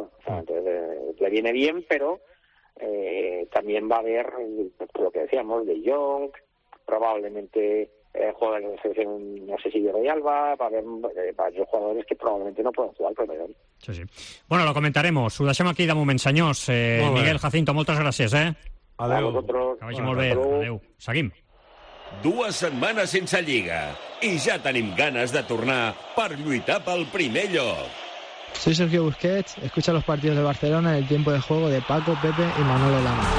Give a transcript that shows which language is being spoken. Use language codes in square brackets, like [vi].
[es] O sea, entonces, le viene bien, pero también va a haber, pues, lo que decíamos, De Jong, probablemente juega en la selección, no sé si de Roy Alba, va a haber varios jugadores que probablemente no puedan jugar primero. Sí, sí. Bueno, lo comentaremos. Udashem aquí, damos mensaños. Miguel, Jacinto, muchas gracias, [ca] Adéu. Seguim. Dues setmanes sense Lliga i ja tenim ganes de tornar per lluitar pel primer lloc. [es] Soy Sergio Busquets, escucha los partidos de Barcelona en el tiempo de juego de Paco, Pepe y Manolo Lama.